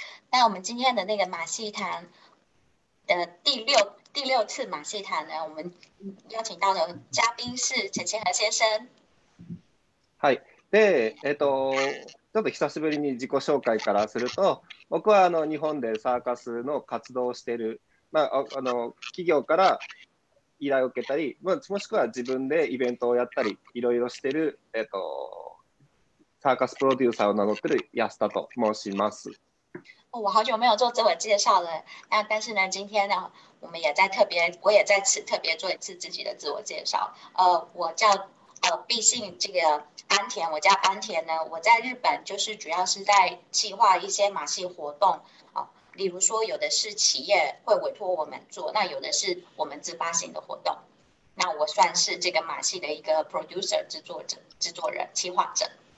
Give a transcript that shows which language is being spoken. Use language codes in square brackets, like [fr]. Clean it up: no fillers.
[zh] 那我们今天的那个马戏团。第六次马戏团呢，我们邀请到的嘉宾是陈千和先生。 [ja] はい。で、ちょっと久しぶりに自己紹介からすると、僕は日本でサーカスの活動をしている、まあ、企業から依頼を受けたり、まあ、もしくは自分でイベントをやったり、いろいろしている、サーカスプロデューサーを名乗っている安田と申します。 [zh] 我好久没有做自我介绍了，那但是呢，今天呢，我们也在特别，我也在此特别做一次自己的自我介绍。我叫毕姓这个安田，我叫安田呢，我在日本就是主要是在企划一些马戏活动，例如说有的是企业会委托我们做，那有的是我们自发性的活动，那我算是这个马戏的一个 producer 制作人企划者。